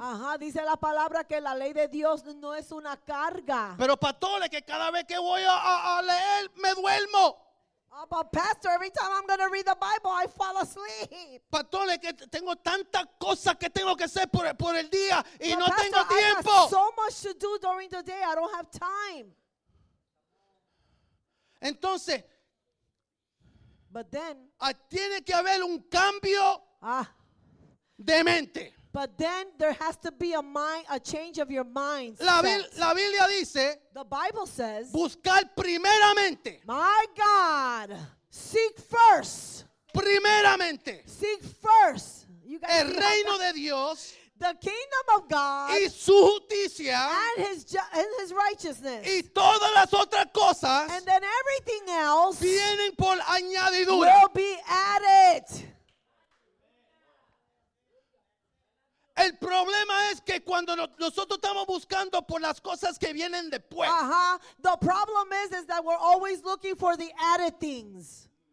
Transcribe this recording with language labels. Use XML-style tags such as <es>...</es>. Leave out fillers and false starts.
<es>Ajá, dice la palabra que la ley de Dios no es una carga. Pero pastor, que cada vez que voy a leer me duermo.</es> <en>Oh, but pastor, every time I'm going to read the Bible, I fall asleep.</en> <es>Pastor, que tengo tanta cosa que tengo que hacer por el día y</es> <en>but</en> <es>no pastor, tengo tiempo.</es> <en>I have so much to do during the day. I don't have time.</en> <es>Entonces,</es> <en>but then,</en> <es>tiene que haber un cambio de mente.</es> <en>But then there has to be a change of your mind.</en> <es>La Biblia dice,</es> <en>the Bible says,</en> <es>buscar primeramente.</es> <en>My God, seek first.</en> <es>Primeramente.</es> <en>Seek first. You guys,</en> <es>el reino de Dios.</es> <en>The kingdom of God.</en> <es>Y su justicia.</es> <en>And his righteousness.</en> <es>Y todas las otras cosas.</es> <en>And then everything else.</en> <es>Vienen por añadidura.</es> <en>Will be added.</en> <es>El problema es que cuando nosotros estamos buscando por las cosas que vienen después.</es> <en>The problem is that we're always looking for the added things.</en>